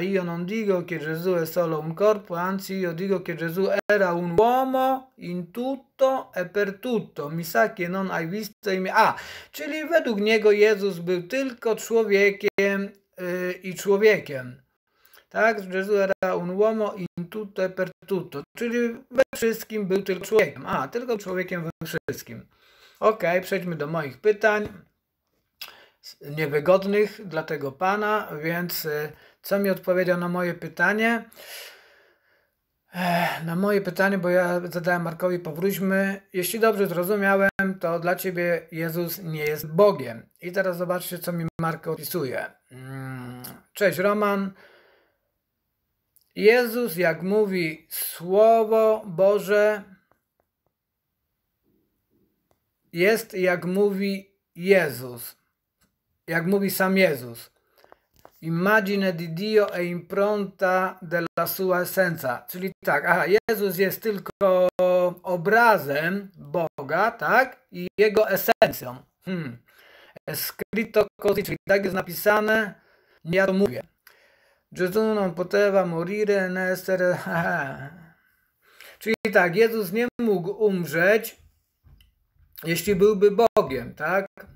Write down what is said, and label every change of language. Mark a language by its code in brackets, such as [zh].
[it] Io non dico che Gesù è solo un corpo, anzi, io dico che Gesù era un uomo in tutto e per tutto. Missa che non hai visto imię. [pl] Czyli według niego Jezus był tylko człowiekiem i człowiekiem. Tak? [it] Gesù era un uomo in tutto e per tutto. [pl] Czyli we wszystkim był tylko człowiekiem. Tylko człowiekiem we wszystkim. Ok, przejdźmy do moich pytań. Niewygodnych dla tego pana, więc co mi odpowiedział na moje pytanie? Na moje pytanie, bo ja zadałem Markowi, powróćmy. Jeśli dobrze zrozumiałem, to dla ciebie Jezus nie jest Bogiem. I teraz zobaczcie, co mi Mark opisuje. Cześć Roman. Jezus, jak mówi Słowo Boże, jest jak mówi Jezus. Jak mówi sam Jezus. [it] Immagine di Dio e impronta della sua essenza. [pl] Czyli tak, Jezus jest tylko obrazem Boga, tak? I jego esencją. [it] È scritto così, [pl] czyli tak jest napisane, nie ja to mówię. [it] Gesù non poteva morire né essere. [pl] Czyli tak, Jezus nie mógł umrzeć, jeśli byłby Bogiem, tak?